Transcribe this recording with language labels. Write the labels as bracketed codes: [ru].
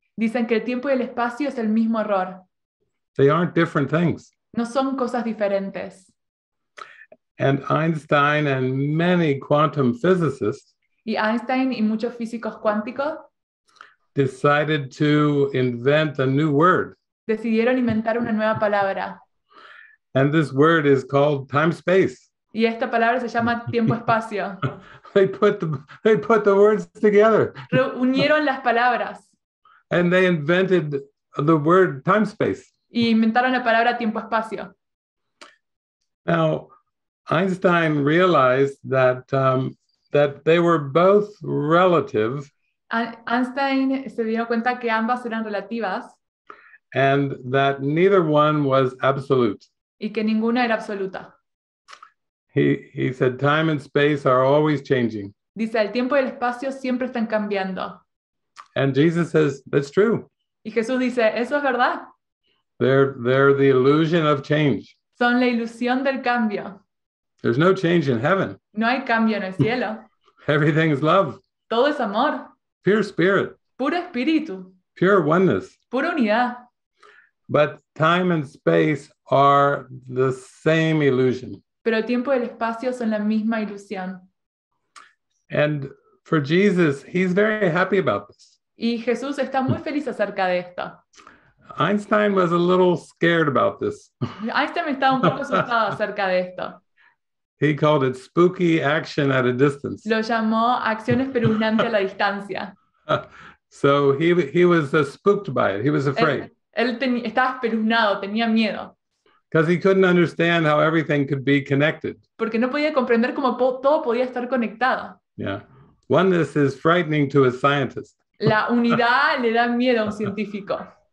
[es] Dicen que el tiempo y el espacio es el mismo error. [en] They aren't different things. [es] No son cosas diferentes. [en] And Einstein and many quantum physicists. [es] Y Einstein y muchos físicos cuánticos. [en] Decided to invent a new word. [es] Decidieron inventar una nueva palabra. [en] And this word is called time-space. [es] Y esta palabra se llama tiempo-espacio. [en] they put the words together. [es] Reunieron las palabras. [en] And they invented the word time-space. [es] Y inventaron la palabra tiempo-espacio. [en] Now, Einstein realized that that they were both relative. [es] Einstein se dio cuenta que ambas eran relativas. [en] And that neither one was absolute. [es] Y que ninguna era absoluta. [en] He said, time and space are always changing. [es] Dice, el tiempo y el espacio siempre están cambiando. [en] And Jesus says, that's true. [es] Y Jesús dice, eso es verdad. [en] They're the illusion of change. [es] Son la ilusión del cambio. [en] There's no change in heaven. [es] No hay cambio en el cielo. [en] Everything is love. [es] Todo es amor. [en] Pure spirit. [es] Puro espíritu. [en] Pure oneness. [es] Pura unidad. [en] But time and space are the same illusion. [es] Pero el tiempo y el espacio son la misma ilusión. [en] And for Jesus, he's very happy about this. [es] Y Jesús está muy feliz acerca de esto. [en] Einstein was a little scared about this. [es] Einstein está un poco asustado acerca de esto. [en] He called it spooky action at a distance. [es] Lo llamó acción espeluznante a la distancia. [en] So he was spooked by it. He was afraid. [es] Estaba espeluznado, tenía miedo. [en] Because he couldn't understand how everything could be connected. [es] Porque no podía comprender cómo todo podía estar conectado. [en] Yeah. Oneness is frightening to a scientist. [es] La unidad le da miedo a un científico.